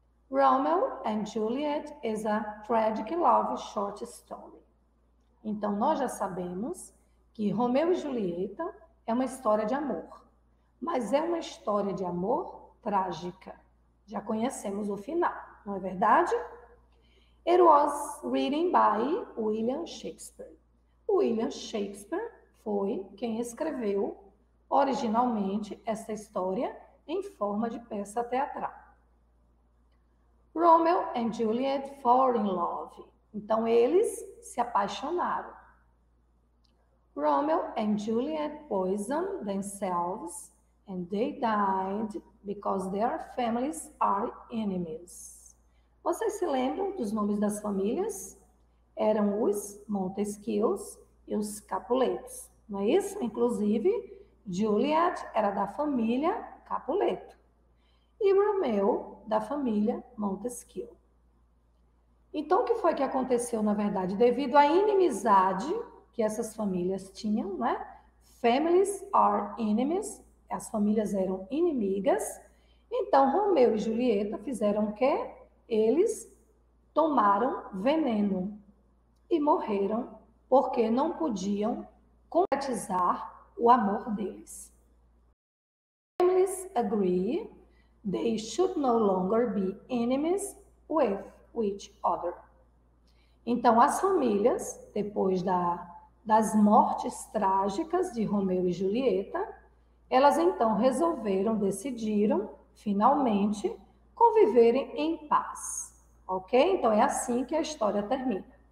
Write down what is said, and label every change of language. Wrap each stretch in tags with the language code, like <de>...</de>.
<en>Romeo and Juliet is a tragic love short story.</en> <pt>Então, nós já sabemos que Romeu e Julieta é uma história de amor, mas é uma história de amor trágica. Já conhecemos o final, não é verdade?</pt> <en>It was written by William Shakespeare.</en> <pt>William Shakespeare foi quem escreveu originalmente essa história em forma de peça teatral.</pt> <en>Romeo and Juliet fall in love.</en> <pt>Então, eles se apaixonaram.</pt> <en>Romeo and Juliet poisoned themselves and they died because their families are enemies.</en> <pt>Vocês se lembram dos nomes das famílias? Eram os Montesquieus e os Capuletos, não é isso? Inclusive, Juliet era da família Capuleto e Romeo da família Montesquieu. Então, o que foi que aconteceu, na verdade? Devido à inimizade que essas famílias tinham, né?</pt> <en>Families are enemies,</en> <pt>as famílias eram inimigas. Então, Romeu e Julieta fizeram o quê? Eles tomaram veneno e morreram porque não podiam concretizar o amor deles.</pt> <en>Families agree they should no longer be enemies with each other.</en> <pt>Então, as famílias, depois das mortes trágicas de Romeu e Julieta, elas então resolveram, decidiram, finalmente, conviverem em paz. Ok? Então, é assim que a história termina.</pt>